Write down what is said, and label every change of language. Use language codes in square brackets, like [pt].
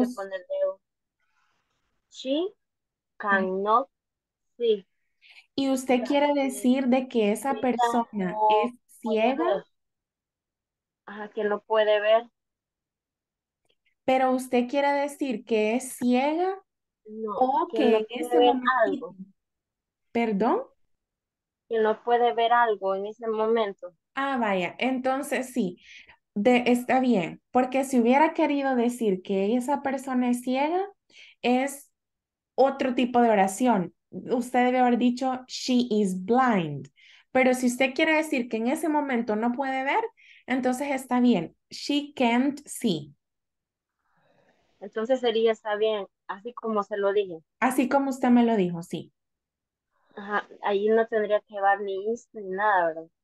[es] que ponerle [en] she cannot see. [es] y usted quiere decir de que esa persona es ciega, ajá, que no puede ver, pero usted quiere decir que es ciega no, o que en ese momento, perdón, que no puede ver algo en ese momento. Ah, vaya, entonces sí. Está bien, porque si hubiera querido decir que esa persona es ciega, es otro tipo de oración. Usted debe haber dicho, [en] she is blind. [es] Pero si usted quiere decir que en ese momento no puede ver, entonces está bien, [en] she can't see. [es] Entonces sería, está bien, así como se lo dije. Así como usted me lo dijo, sí. Ajá, ahí no tendría que llevar ni esto ni nada, ¿verdad?